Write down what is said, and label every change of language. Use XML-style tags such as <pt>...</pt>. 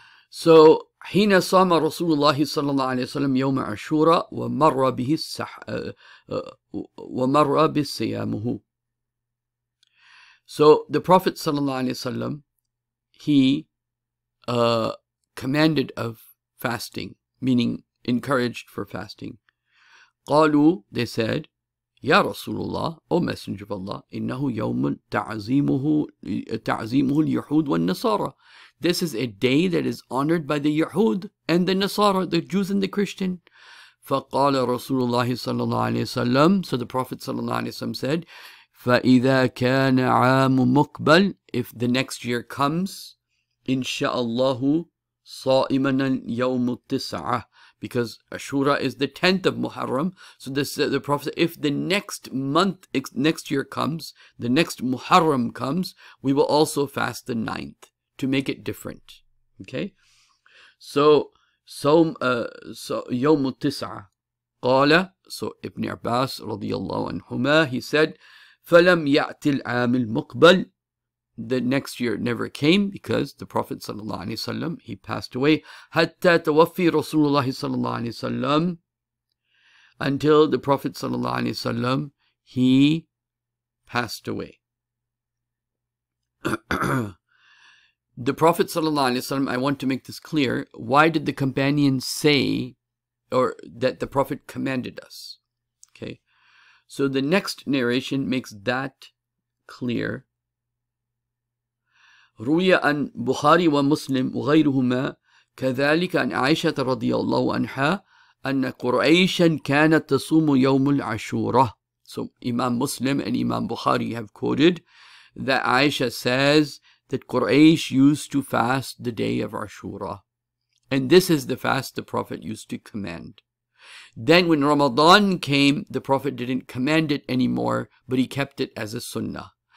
<ar>So, حين صام رسول الله صلى الله عليه وسلم يوم عاشوراء ومر به السح... ومر بصيامه.</ar> <en>So, the Prophet</en> <ar>صلى الله عليه وسلم,</ar> <en>he commanded of fasting, meaning encouraged for fasting.</en> <ar>قالوا,</ar> <en>they said,</en> <ar>يا رسول الله,</ar> <en>O Messenger of Allah,</en> <ar>إنه يوم تعزيمه اليهود والنصارى.</ar> <en>This is a day that is honored by the يهود and the نصارى, the Jews and the Christian.</en> <ar>فقال رسول الله صلى الله عليه وسلم,</ar> <en>so the Prophet</en> <ar>صلى الله عليه وسلم</ar> <en>said,</en> <ar>فإذا كان عام مقبل,</ar> <en>if the next year comes,</en> <ar>إن شاء الله صائمنا يوم التسعة,</ar> <en>because Ashura is the 10th of Muharram. So this, the Prophet said, if the next month, next year comes, the next Muharram comes, we will also fast the 9th to make it different. Okay? So</en> <ar>يوم التسعة قال,</ar> <en>so Ibn Abbas</en> <ar>رضي الله عنهما,</ar> <en>he said,</en> <ar>فَلَمْ يَأْتِ الْعَامِ الْمُقْبَلِ,</ar> <en>the next year never came because the Prophet sallallahu alaihi wasallam, he passed away.</en> <ar>Hatta tawaffi Rasulullah</ar> <en>sallallahu alaihi wasallam, until the Prophet sallallahu alaihi wasallam, he passed away. The Prophet sallallahu alaihi wasallam, I want to make this clear, why did the companions say, or that the Prophet commanded us? Okay, so the next narration makes that clear.</en> <ar>روي عن بخاري ومسلم وغيرهما كذلك عن عائشة رضي الله عنها أن قريشا كانت تصوم يوم العاشوراء.</ar> <en>So Imam Muslim and Imam Bukhari have quoted that Aisha says that Quraysh used to fast the day of Ashura, and this is the fast the Prophet used to command. Then when Ramadan came, the Prophet didn't command it anymore, but he kept it as a sunnah.</en>